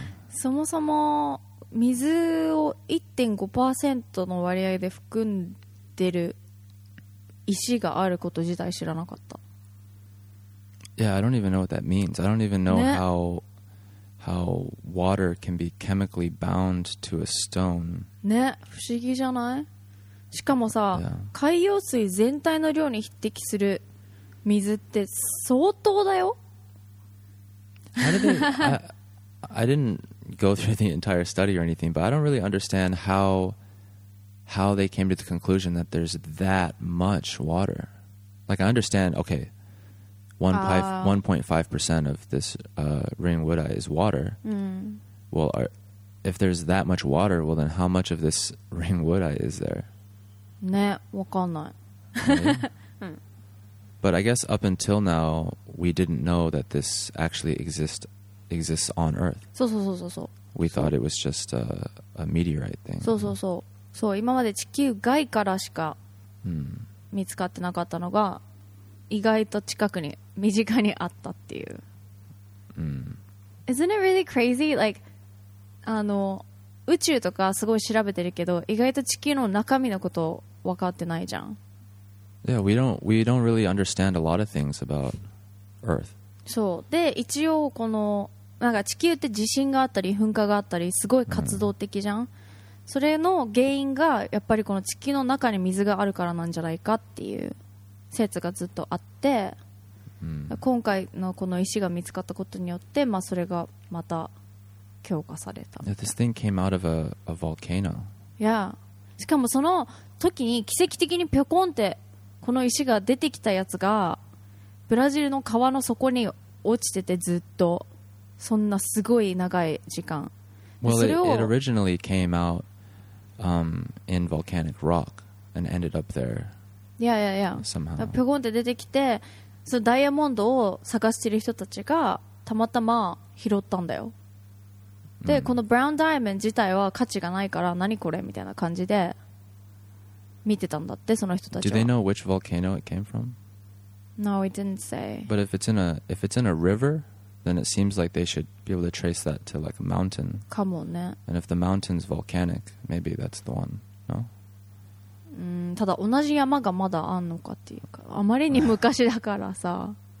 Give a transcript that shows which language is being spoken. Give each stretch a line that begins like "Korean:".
Japanese: そもそも水を 1.5% の割合で含んでる石があること自体知らなかった。
English: Yeah, I don't even know what that means. I don't even know、ね、how water can be chemically bound to a stone.
Japanese: ね、不思議じゃない？しかもさ、yeah. 海洋水全体の量に匹敵する水って相当だよ。
English: I didn't. Go through the entire study or anything, but I don't really understand how they came to the conclusion that there's that much water. Like, I understand, okay, 1.5% of this ringwood eye is water. Mm. Well, if there's that much water, well, then how much of this ringwood eye is there?
Japanese: ね、わかんない。
English: But I guess up until now, we didn't know that this actually exists on Earth.
Japanese: そうそうそうそう。
English: We thought it was just a meteorite thing.
Japanese: そうそうそう。そう、今まで地球外からしか見つかってなかったのが、意外と近くに、身近にあったっていう。
English: Isn't it really crazy?
Japanese: Like, あの、宇宙とかすごい調べてるけど、意外と地球の中身のこと分かってないじゃん。
English: Yeah, we don't really understand a lot of things about Earth.
Japanese: そう。で、一応この、なんか地球って地震があったり噴火があったりすごい活動的じゃん。それの原因がやっぱりこの地球の中に水があるからなんじゃないかっていう説がずっとあって、今回のこの石が見つかったことによって、まあそれがまた強化された。
English: Yeah, this thing came out of a volcano. Yeah.
Japanese: しかもその時に奇跡的にピョコンってこの石が出てきたやつがブラジルの川の底に落ちててずっとそんなすごい長い時間。
English: Well, it originally came out in volcanic rock and ended up there. Yeah, yeah, yeah. Somehow.
Japanese: ピョコンって出てきてそのダイヤモンドを探してる人たちがたまたま拾ったんだよ。で、このブラウンダイヤモンド自体は価値がないから何これみたいな感じで見てたんだって、その人たちは。
English: Do they know which volcano it came from? No, we didn't say. But if it's in a river, then it seems like they should be able to trace that to like a mountain.
Japanese: かもね。
English: And if the mountain's volcanic, maybe that's the one, no?
Japanese: ただ同じ山がまだあんのかっていうか、あまりに昔だからさ。